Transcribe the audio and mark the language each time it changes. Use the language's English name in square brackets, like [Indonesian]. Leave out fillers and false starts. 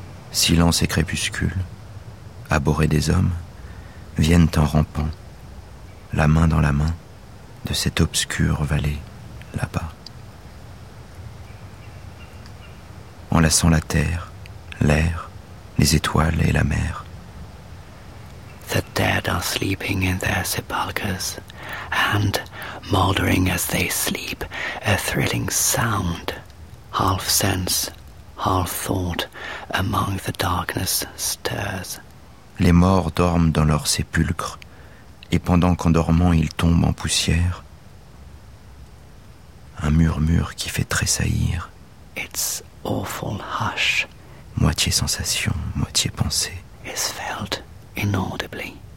[French] Silence et crépuscule, aborés des hommes, viennent en rampant, la main dans la main, de cette obscure vallée, là-bas. Enlaçant la terre, l'air, les étoiles et la mer. [English] The dead are sleeping in their sepulchres, and, mouldering as they sleep, a thrilling sound, half sense, half thought, among the darkness stirs. [French] Les morts dorment dans leur sépulcre, et pendant qu'en dormant ils tombent en poussière, un murmure qui fait tressaillir. [English] Its awful hush, [French] moitié sensation, moitié pensée, [English] is felt inaudibly.